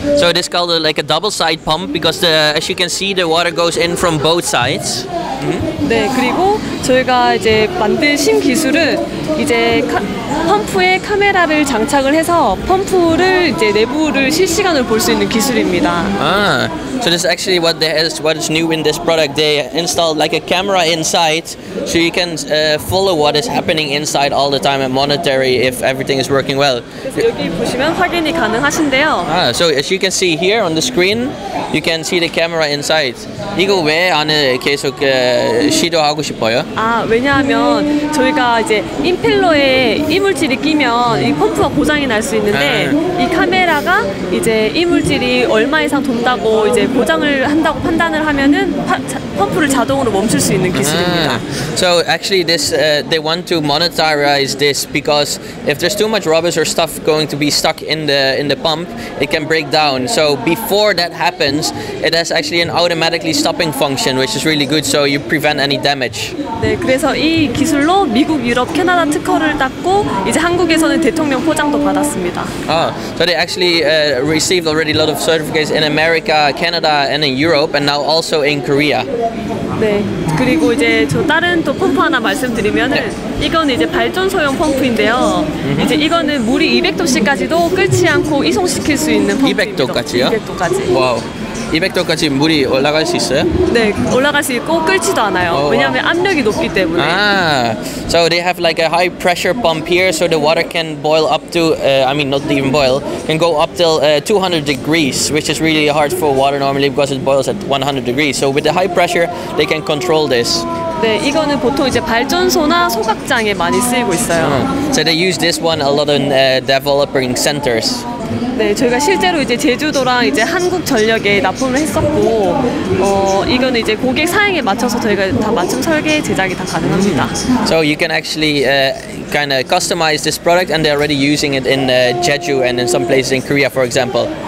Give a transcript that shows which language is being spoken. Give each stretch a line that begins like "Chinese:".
English: So this is called like a double side pump because the, as you can see, the water goes in from both sides.
Korean: 네, 그리고 저희가 이제 만든 신 기술은 이제 펌프에 카메라를 장착을 해서 펌프를 이제 내부를 실시간으로 볼 수 있는 기술입니다.
English: 아, so this is actually what they has, what is new in this product. They installed like a camera inside, so you can follow what is happening inside all the time and monitor if everything is working well.
Korean: 그래서 여기 보시면 확인이 가능하신데요.
English: 아, so as you can see here on the screen, you can see the camera inside.
Korean: 이거 왜 안에 계속 시도하고 싶어요? 아, 왜냐하면 저희가 이제 임펠러에 이물질이 끼면 이 펌프가 고장이 날 수 있는데 이 카메라가 이제 이물질이 얼마 이상 돈다고 이제 고장을 한다고 판단을 하면은 펌프를 자동으로 멈출 수 있는 기술입니다.
English: So actually this they want to monetize this because if there's too much rubbish or stuff going to be stuck in the pump, it can break down. So before that happens, it has actually an automatically stopping function, which is really good. So you prevent any damage.
Korean: 네, 그래서 이 기술로 미국, 유럽, 캐나다 특허를 땄고 이제 한국에서는 대통령 포장도 받았습니다.
English: Oh, so they actually received already a lot of certificates in America, Canada, and in Europe, and now also in Korea.
Korean: 네, 그리고 이제 저 다른 또 펌프 하나 말씀드리면은 이건 이제 발전소용 펌프인데요. 이제 이거는 물이 200도씨까지도 끓지 않고 이송시킬 수 있는 펌프입니다. 200도까지요? 200도까지. 와우. 200도까지 물이 올라갈 수 있어요? 네, 올라갈 수 있고 끓지도 않아요. 오, 왜냐하면 압력이 높기 때문에.
English: 아, so they have like a high pressure pump here, so the water can boil up to, I mean not even boil, can go up till 200 degrees, which is really hard for water normally because it boils at 100 degrees. So with the high pressure, they can control this.
Korean: 네, 이거는 보통 이제 발전소나 소각장에 많이 쓰이고 있어요.
English: So they use this one a lot in developing centers.
Korean: 네, 저희가 실제로 이제 제주도랑 이제 한국 전력에 납품을 했었고, 이거는 이제 고객 사양에 맞춰서 저희가 다 맞춤 설계 제작이 다 가능합니다.
English: So you can actually kind of customize this product, and they're already using it in Jeju and in some places in Korea, for example.